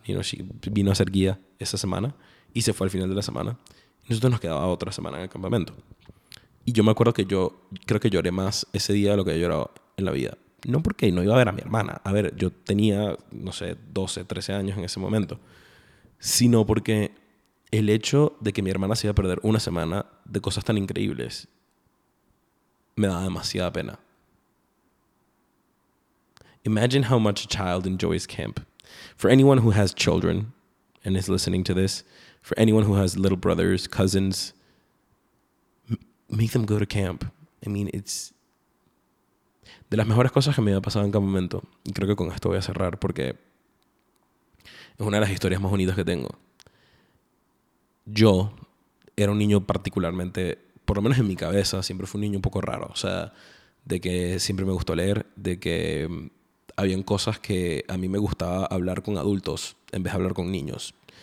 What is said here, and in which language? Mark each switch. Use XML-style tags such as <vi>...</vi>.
<en>You know, she</en> <es>vino a ser guía esa semana y se fue al final de la semana. Nosotros nos quedaba otra semana en el campamento. Y yo me acuerdo que yo creo que lloré más ese día de lo que he llorado en la vida. No porque no iba a ver a mi hermana. A ver, yo tenía, no sé, 12, 13 años en ese momento. Sino porque el hecho de que mi hermana se iba a perder una semana de cosas tan increíbles me daba demasiada pena.</es> <en>Imagine how much a child enjoys camp. For anyone who has children and is listening to this, for anyone who has little brothers, cousins, make them go to camp. I mean, it's...</en> <es>De las mejores cosas que me ha pasado en campamento, y creo que con esto voy a cerrar porque es una de las historias más bonitas que tengo. Yo era un niño particularmente, por lo menos en mi cabeza, siempre fue un niño un poco raro. O sea, de que siempre me gustó leer, de que habían cosas que a mí me gustaba hablar con adultos en vez de hablar con niños.</es>